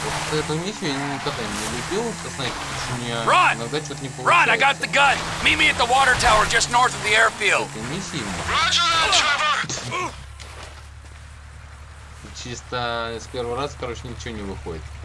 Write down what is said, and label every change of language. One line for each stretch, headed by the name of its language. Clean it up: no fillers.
Russian: Вот эту миссию я никогда не любил, то знаете, почему мне иногда что-то не получается.
English: Run! I got the gun! Meet me at the water tower just north of the airfield!
Russian: Это миссия ему.
English: Roger that, Trevor!
Russian: Чисто с первого раза, короче, ничего не выходит.